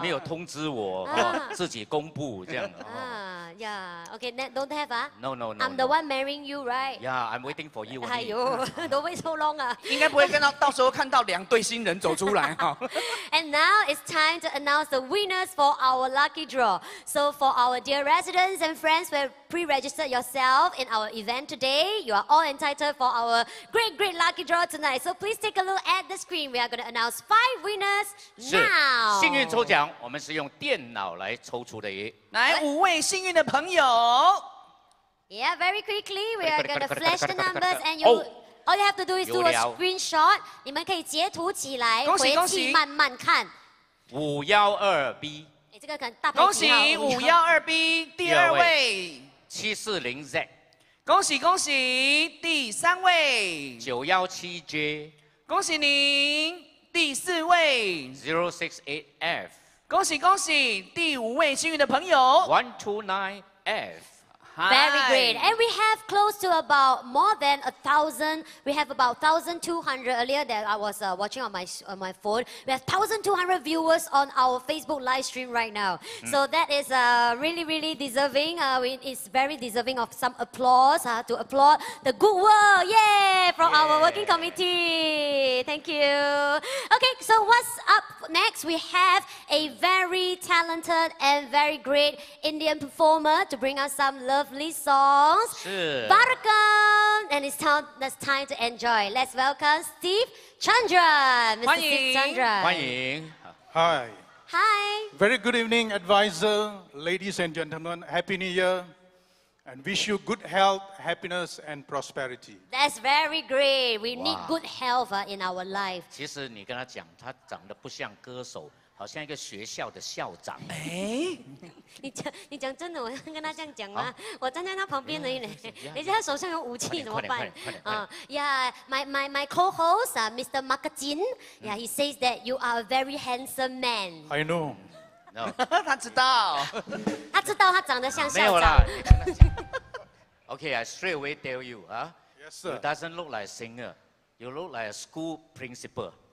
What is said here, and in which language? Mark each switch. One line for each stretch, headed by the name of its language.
Chinese: 没有通知我，自己公布这样。
English: Yeah, okay, don't have ah. No. I'm the one marrying you, right? Yeah, I'm waiting for you. 哎呦 ，Don't wait so long 啊。
Chinese: 应该不会看到，到时候看到两对新人走出来哈。
English: And now it's time to announce the winners for our lucky draw. So for our dear residents and friends, we pre-registered yourself in our event today. You are all entitled for our great, great lucky draw tonight. So please take a look at the screen. We are going to announce 5 winners now.
Chinese: 幸运抽奖，我们是用电脑来抽出的。来，五位幸运的朋友。
English: Yeah, very quickly, we are going to flash the numbers and you... All you have to do is do a screenshot.
Chinese: 你们可以截图起来，恭喜恭喜，回去慢慢看。 512B。 哎，这个可能大牌。恭喜512B， 第二位。 740Z。恭喜恭喜，第三位。 917J。恭喜您，第四位。 068F。恭喜恭喜，第五位幸运的朋友。 129F。
English: Very great, and we have close to about more than 1,000. We have about 1,200 earlier that I was watching on my phone. We have 1,200 viewers on our Facebook live stream right now. So that is really, really deserving. It's very deserving of some applause to applaud the good work, our working committee. Thank you. Okay, so what's up next? We have a very talented and very great Indian performer to bring us some love. Songs. Barakam! And it's time to enjoy. Let's welcome Steve Chandran. Mr. Steve Chandran. Hi. Hi. Very good evening, advisor, ladies and gentlemen. Happy New Year. And wish you good health, happiness, and prosperity. That's very great. We need good health in our life.
Chinese: 其实你跟他讲，他长得不像歌手。好像一个学校的校长。哎、欸，你讲真的，我跟他这样讲吗、啊？我站在他旁边而已嘞，人家手上有武器怎么办？
English: my co-host Mr. Mark Jin, yeah, he says that you are a very handsome man. I know, no.
Chinese: 他知道，他知道他长得像校长。没有啦，你跟他讲。
English: Okay, I straight away tell you, Yes, sir. You doesn't look like a singer, you look like a school principal.